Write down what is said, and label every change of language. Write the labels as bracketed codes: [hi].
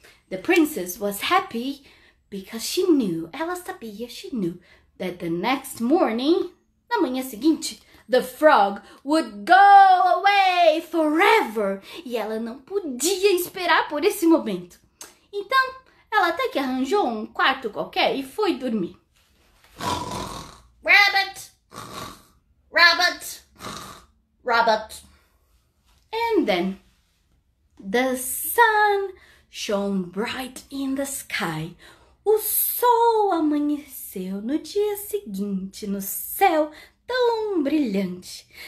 [en] The princess was happy because she knew, [pt] ela sabia, [en] she knew, that the next morning, [pt] na manhã seguinte, [en] the frog would go away forever. [pt] E ela não podia esperar por esse momento. Então, ela até que arranjou um quarto qualquer e foi dormir. [en] Rabbit! Rabbit! Rabbit! And then, the sun shone bright in the sky. [pt] O sol amanheceu no dia seguinte, no céu tão brilhante.